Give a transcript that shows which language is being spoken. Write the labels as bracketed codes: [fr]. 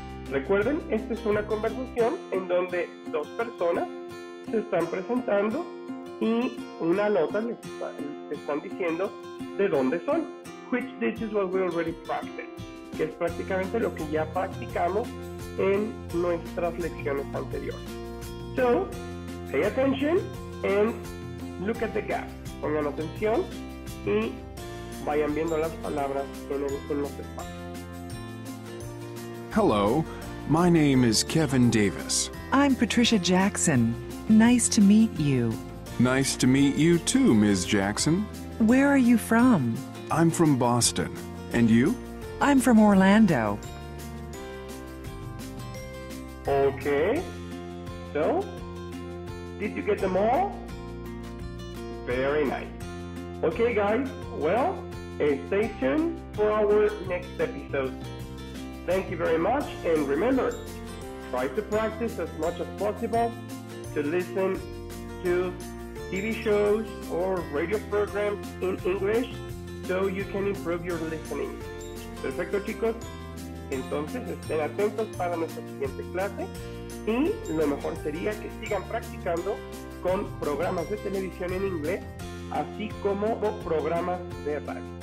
[es] Recuerden, esta es una conversación en donde dos personas se están presentando y una nota les están diciendo de dónde son. [en] Which this is what we already practiced. [es] Que es prácticamente lo que ya practicamos en nuestras lecciones anteriores. [en] So, pay attention and look at the gap. [es] Pongan atención y vayan viendo las palabras en los espacios. [en] Hello. My name is Kevin Davis. I'm Patricia Jackson. Nice to meet you. Nice to meet you too, Ms. Jackson. Where are you from? I'm from Boston. And you? I'm from Orlando. Okay. So, did you get them all? Very nice. Okay, guys. Well, stay tuned for our next episode. Thank you very much, and remember, try to practice as much as possible to listen to TV shows or radio programs in English so you can improve your listening. [es] Perfecto, chicos. Entonces, estén atentos para nuestra siguiente clase y lo mejor sería que sigan practicando con programas de televisión en inglés, así como programas de radio.